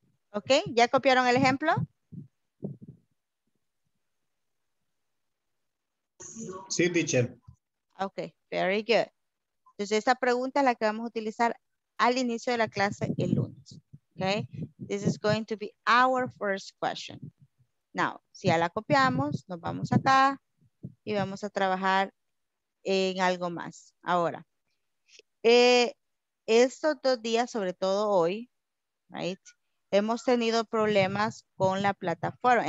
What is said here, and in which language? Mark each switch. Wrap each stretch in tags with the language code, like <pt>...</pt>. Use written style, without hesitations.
<es>Ok, ¿ya copiaron el ejemplo? Sí, teacher.</es> <en>Ok, very good.</en> <es>Entonces, esta pregunta es la que vamos a utilizar al inicio de la clase el lunes.</es> <en>Ok, this is going to be our first question. Now,</en> <es>si ya la copiamos, nos vamos acá y vamos a trabajar en algo más. Ahora, estos dos días, sobre todo hoy,</es> <en>right,</en> <es>hemos tenido problemas con la plataforma.</es>